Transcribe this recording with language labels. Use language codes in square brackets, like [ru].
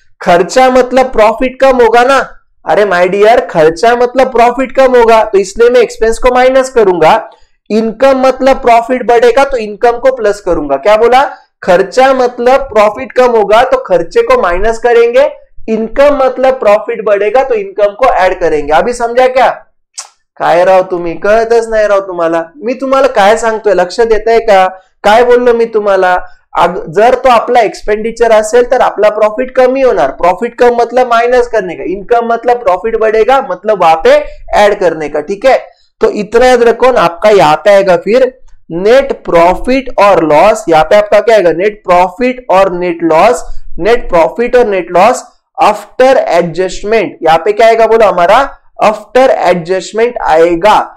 [hi] खर्चा मतलब प्रॉफिट कम होगा ना, अरे माय डियर खर्चा मतलब प्रॉफिट कम होगा तो इसलिए मैं एक्सपेंस को माइनस करूंगा, इनकम मतलब प्रॉफिट बढ़ेगा तो इनकम को प्लस करूंगा, क्या बोला खर्चा मतलब प्रॉफिट कम होगा तो खर्चे को माइनस करेंगे, इनकम मतलब प्रॉफिट बढ़ेगा तो इनकम को ऐड करेंगे। अभी समझा क्या, [mr] काय राव तुम्ही कळतच नाही राव तुम्हाला, मी तुम्हाला काय सांगतोय लक्ष देताय का, काय बोललो मी तुम्हाला, जर तो आपला एक्सपेंडिचर असेल तर आपला प्रॉफिट कमी होणार, [hi] प्रॉफिट कम मतलब माइनस करने का, [mr] इनकम मतलब प्रॉफिट बढ़ेगा मतलब वहां पे ऐड करने का, ठीक है। [hi] तो इतना याद रखो ना, आपका यहां पे आएगा फिर नेट प्रॉफिट और लॉस, यहाँ पे आपका क्या आएगा नेट प्रॉफिट और नेट लॉस, नेट प्रॉफिट और नेट लॉस आफ्टर एडजस्टमेंट, यहाँ पे क्या आएगा बोलो हमारा आफ्टर एडजस्टमेंट आएगा।